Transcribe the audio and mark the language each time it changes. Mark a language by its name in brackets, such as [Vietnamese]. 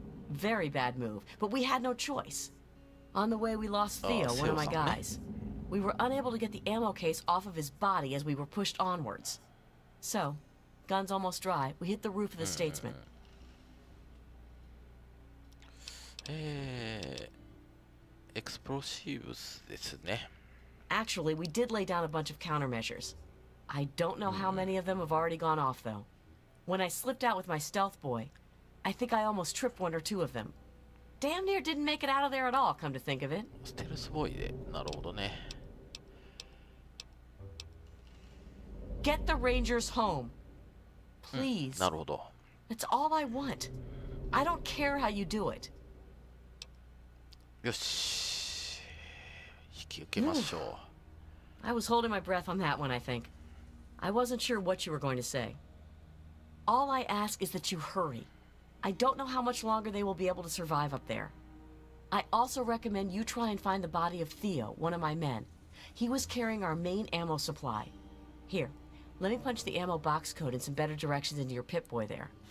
[English] Very bad move, but we had no choice. On the way, we lost Theo, one of my guys. We were unable to get the ammo case off of his body as we were pushed onwards. So, guns almost dry, we hit the roof of the Statesman. [Japanese] エクスプロシーブスですね。 [English] Actually, we did lay down a bunch of countermeasures. I don't know how many of them have already gone off, though. When I slipped out with my stealth boy, I think I almost tripped one or two of them. Damn near didn't make it out of there at all, come to think of it. [Japanese] ステルスボーイで、なるほどね。 [English] Get the Rangers home. Please. [Japanese] なるほど。 [English] That's all I want. I don't care how you do it. [Japanese] よし、引き受けましょう。 [English] I was holding my breath on that one, I think. I wasn't sure what you were going to say. All I ask is that you hurry. I don't know how much longer they will be able to survive up there. I also recommend you try and find the body of Theo, one of my men. He was carrying our main ammo supply. Here, let me punch the ammo box code and some better directions into your Pip-Boy there.